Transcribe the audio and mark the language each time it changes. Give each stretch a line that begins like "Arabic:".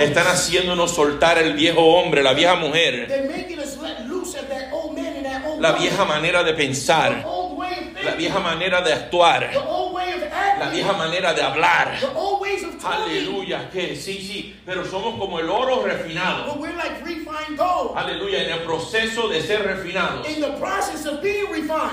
Spanish: Están haciéndonos soltar el viejo hombre, la vieja mujer.
English: They're making us let loose of that old man and that old
Spanish: La vieja manera de pensar, la vieja manera de actuar, la vieja manera de hablar. Aleluya, que sí, sí, pero somos como el oro refinado. Aleluya, en el proceso de ser refinados.
English: In the process of being refined.